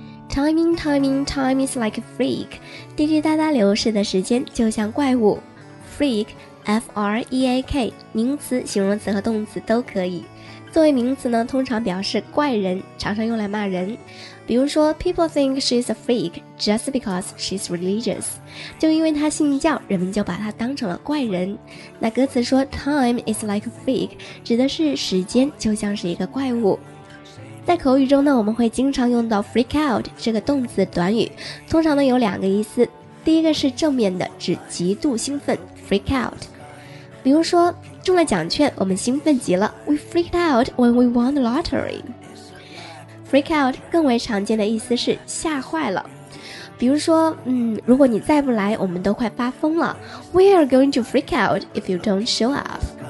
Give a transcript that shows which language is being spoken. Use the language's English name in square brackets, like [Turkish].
[English] Timing, timing, time is like a freak. [Chinese] 滴滴答答流逝的时间就像怪物。Freak, F-R-E-A-K, 名词、形容词和动词都可以。作为名词呢，通常表示怪人，常常用来骂人。比如说 [English] People think she's a freak just because she's religious. [Chinese] 就因为她信教，人们就把她当成了怪人。那歌词说 [English] Time is like a freak, [Chinese] 指的是时间就像是一个怪物。在口语中呢，我们会经常用到 freak out 这个动词短语，通常呢有两个意思。第一个是正面的，指极度兴奋 freak out。比如说中了奖券，我们兴奋极了。 [English] We freaked out when we won the lottery. [Chinese] Freak out 更为常见的意思是吓坏了。比如说如果你再不来我们都快发疯了。 [English] We are going to freak out if you don't show up.